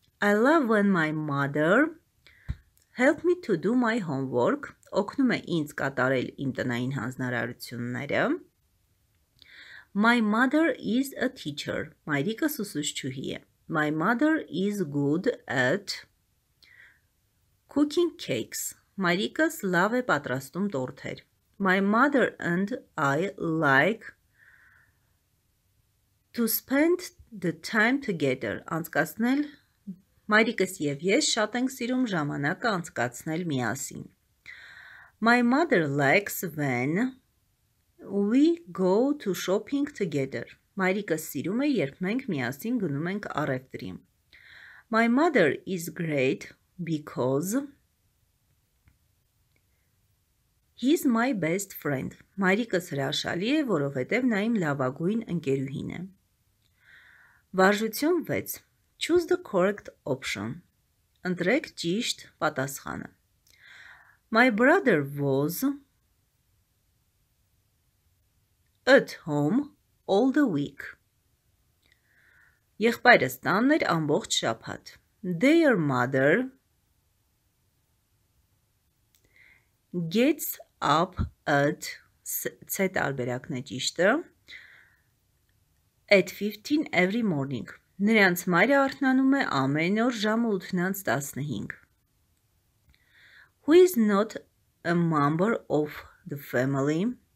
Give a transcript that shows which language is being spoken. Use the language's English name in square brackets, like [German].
[English] I love when my mother help me to do my homework. [Armenian] Օգնում է ինձ կատարել իմ տնային հանձնարարությունները. [English] My mother is a teacher. [Armenian] Մայրիկս ուսուցչուհի է. [English] My mother is good at cooking cakes. [Armenian] Մայրիկս լավ է պատրաստում տորթեր. [English] My mother and I like to spend the time together. [Armenian] Անցկացնել Մայրիկս եւ ես շատ ենք սիրում ժամանակը անցկացնել միասին. [English] My mother likes when we go to shopping together. [Armenian] Մայրիկս սիրում է, երբ մենք միասին գնում ենք առևտրի. [English] My mother is great because he's my best friend. [Armenian] Մայրիկս հրաշալի է, որովհետև նա իմ լավագույն ընկերուհին է. Վարժություն 6. [English] Choose the correct option. [Armenian] Ընտրեք ճիշտ պատասխանը. [English] My brother was at home all the week. [Armenian] Եղբայրս տանն էր ամբողջ շաբաթ. [English] Their mother gets up at [Armenian] ցե տարբերակն է ճիշտը. [English] At 15 every morning. [Armenian] Նրանց մայրը արթնանում է ամեն օր ժամը 8:15. [English] Who is not a member of the family?